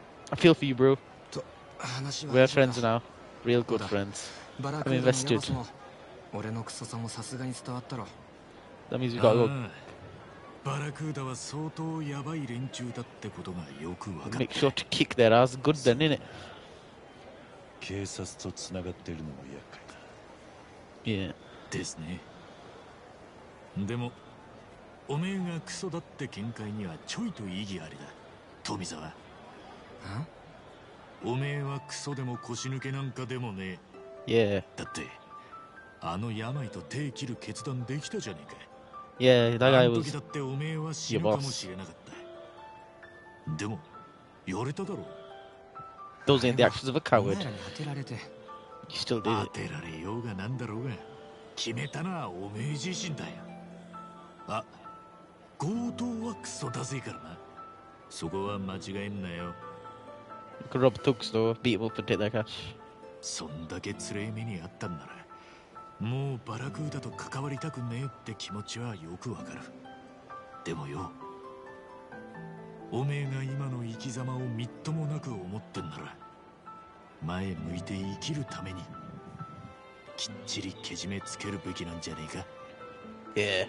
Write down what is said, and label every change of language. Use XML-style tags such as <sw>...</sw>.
<en>I feel for you, bro.</en> <ja>と話は</ja> <en>We're friends now. Real good friends. バラクーダ I'm invested.</en> <ja>俺のクソさもさすがに伝わったろ。</ja> <en>That means we got a look.</en> <ja>バラクーダは相当ヤバい連中だってことがよくわか</ja> <en>る。Make sure to kick their ass good then, innit?</en> <ja>警察とつながってるのも厄介。</ja> <en>Yeah.</en> <ja>ですね。でもおめえがクソだって見解にはちょいと意義ありだ、富澤。ん？おめえはクソでも腰抜けなんかでもねえ。</ja> <en>Yeah.</en> <ja>だってあの病と手切る決断できたじゃねえか。</ja> <en>Yeah, that guy was</en> <ja>あの時だっておめえは死ぬかもしれなかった。でもやれただろう。</ja> <en>Those are the actions of a coward.</en> <ja>あれは、ね、当てられて。</ja> <en>You still did it.</en> <ja>当てられようがなんだろうが、決めたのはおめえ自身だよ。あ、強盗はクソだぜからな。そこは間違えんなよ。</ja> <en>Could rob a tuck store, beat them up and take their cash.</en> <ja>そんだけ辛い目にあったんなら、もうバラクーダと関わりたくねえって気持ちはよくわかる。でもよ、おめえが今の生き様をみっともなく思ってんなら、前向いて生きるためにきっちりけじめつけるべきなんじゃねえか。</ja>